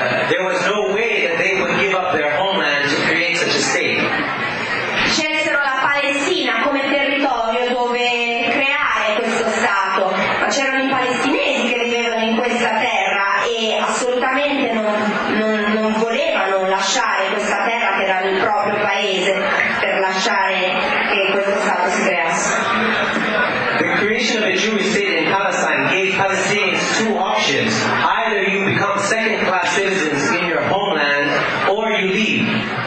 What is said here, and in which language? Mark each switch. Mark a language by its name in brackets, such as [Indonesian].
[English] There was no way that they would give up their homeland to create such a state. [Italian] Scelsero la Palestina come territorio dove creare questo stato, ma c'erano i palestinesi che vivevano in questa terra e assolutamente non volevano lasciare questa terra che era il proprio paese per lasciare che questo stato si creasse. [English] The creation of a Jewish state in Palestine gave Palestinians two options. Either you become second-class citizens in your homeland, or you leave.